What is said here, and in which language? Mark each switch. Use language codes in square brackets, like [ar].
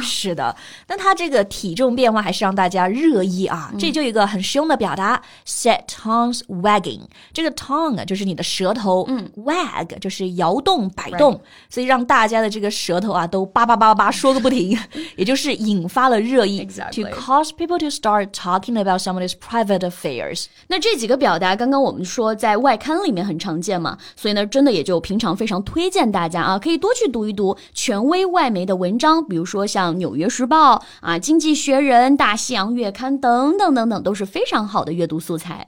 [zh] 是的，那他这个体重变化还是让大家热议啊。这就一个很实用的表达 , [en] set tons wagging. [zh] 这个 tongue 就是你的舌头,wag 就是摇动摆动、 [en] right. [zh] 所以让大家的这个舌头啊都叭叭叭叭说个不停也就是引发了热议、 [en] exactly. to cause people to start talking about somebody's private affairs. [zh] 那这几个表达刚刚我们说在外刊里面很常见嘛，所以呢真的也就平常非常推荐大家啊，可以多去读一读权威外媒的文章，比如说像纽约时报啊，经济学人、大西洋月刊等等等等都是非常好的阅读素材。